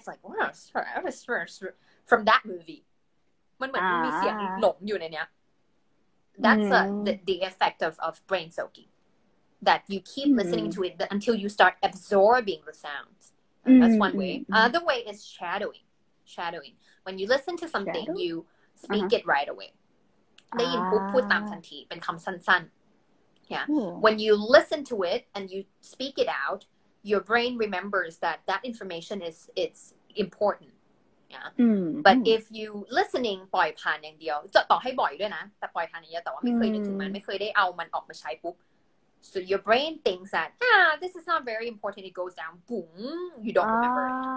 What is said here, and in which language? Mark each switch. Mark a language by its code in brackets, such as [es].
[en] It's like, what is this from that movie? When the movie is lost in there. That's the effect of brain soaking. That you keep listening to it until you start absorbing the sounds. That's one way. Other way is shadowing. When you listen to something, you speak it right away. [th] ได้ยินปุ๊บพูดตามทันทีเป็นคำสั้นๆ Yeah. [en] When you listen to it and you speak it out, your brain remembers that information is important. Yeah. But if you listening [th] ปล่อยผ่านอย่างเดียวจะต่อให้บ่อยด้วยนะแต่ปล่อยผ่านอย่างเดียวแต่ว่าไม่เคยนึกถึงมันไม่เคยได้เอามันออกมาใช้ปุ๊บ [en] So your brain thinks that, this is not very important. It goes down, boom, you don't remember it.